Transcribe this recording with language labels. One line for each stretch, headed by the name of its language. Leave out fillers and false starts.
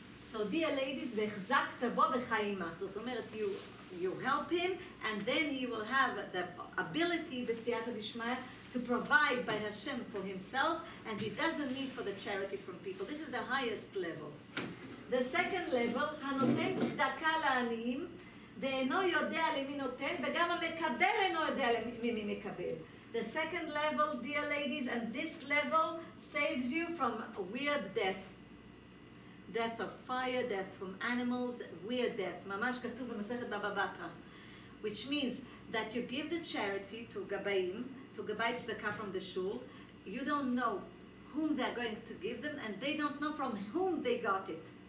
English: So, dear ladies, v'chzakta bo v'chaimach. Zot omeret, you help him, and then he will have the ability, b'siyata d'shmeh, to provide by Hashem for himself, and he doesn't need for the charity from people. This is the highest level.
Hebrew: The second level, hanotem tzedaka la'aniim, ואינו יודע למי נותן, וגם המקבל אינו יודע למי מקבל.
English: The second level, dear ladies, and this level saves you from a weird death. Death of fire, death from animals, weird death. ממש כתוב במסכת בבא בתרא. Which means that you give the charity to גבאים, to גבאי צדקה from the shul, you don't know whom they're going to give them, and they don't know from whom they got it.